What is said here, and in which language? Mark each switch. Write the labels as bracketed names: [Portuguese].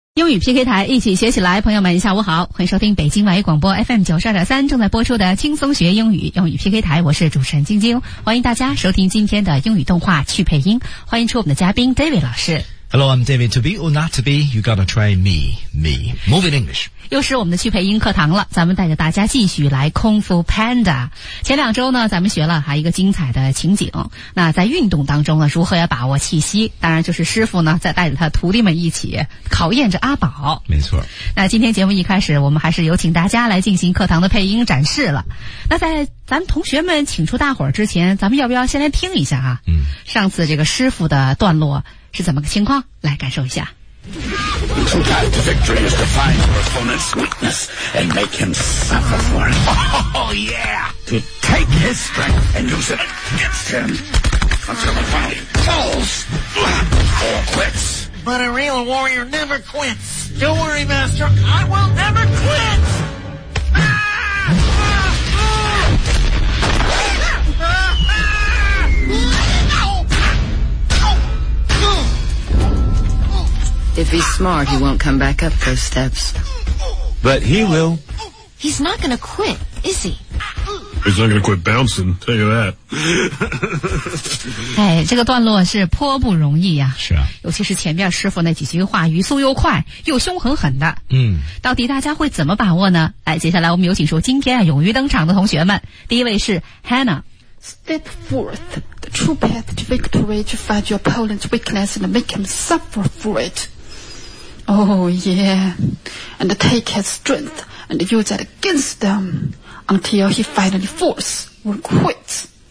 [Chinese] 英语 PK 台一起学起来，朋友们下午好，欢迎收听北京外语广播 FM92.3 正在播出的轻松学英语，英语 PK 台，我是主持人晶晶，欢迎大家收听今天的英语动画去配音，欢迎出我们的嘉宾 David 老师。 [English] Hello, I'm David. To be or not to be, you gotta try me, me. Move in English. [Chinese] 又是我们的去配音课堂了，咱们带着大家继续来空腹 Panda。前两周呢，咱们学了还一个精彩的情景。那在运动当中呢，如何要把握气息？当然就是师傅呢，在带着他徒弟们一起考验着阿宝。没错。那今天节目一开始，我们还是有请大家来进行课堂的配音展示了。那在咱们同学们请出大伙儿之前，咱们要不要先来听一下啊？上次这个师傅的段落是怎么个情况？来感受一下。 [English] To guide to victory is to find your opponent's weakness and make him suffer for it. Oh yeah! To take his strength and use it against him until he finally falls or quits. But a real warrior never quits. Don't worry, Master, I will never quit! If he's smart, he won't come back up those steps. But he will. He's not going to quit, is he? He's not going to quit bouncing, tell you that. [Chinese] 哎，这个段落是颇不容易啊。是啊。尤其是前面师傅那几句话，语速又快，又凶狠狠的。嗯。到底大家会怎么把握呢？哎，接下来我们有请出今天啊勇于登场的同学们。第一位是 Hannah。 [English] Step forth. The true path to victory to find your opponent's weakness and make him suffer for it. Oh, yeah. And take his strength and use it against them until he finally falls or quits.